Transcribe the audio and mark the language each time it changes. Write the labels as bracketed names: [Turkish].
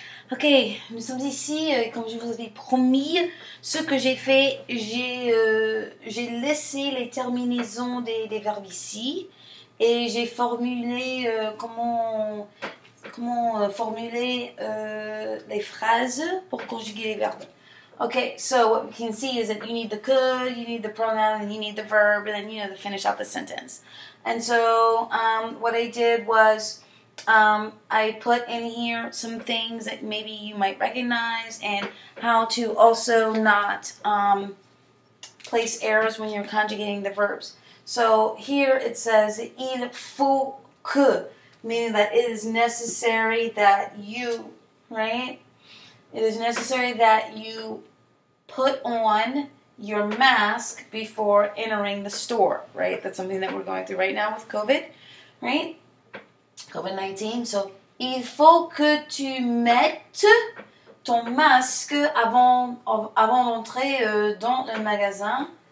[French] Ok, nous sommes ici, comme je vous avais promis, ce que j'ai fait, j'ai laissé les terminaisons des verbes ici, et j'ai formulé comment formuler les phrases pour conjuguer les verbes. [English] Ok, so what we can see is that you need the could, you need the pronoun, and you need the verb, and then you need to finish out the sentence. And so, what I did was... I put in here some things that maybe you might recognize and how to also not place errors when you're conjugating the verbs. So here it says, [French] il faut que, [English] meaning that it is necessary that you, right? It is necessary that you put on your mask before entering the store, right? That's something that we're going through right now with COVID, right? [French] COVID-19, so il faut que tu mettes ton masque avant d'entrer dans le magasin.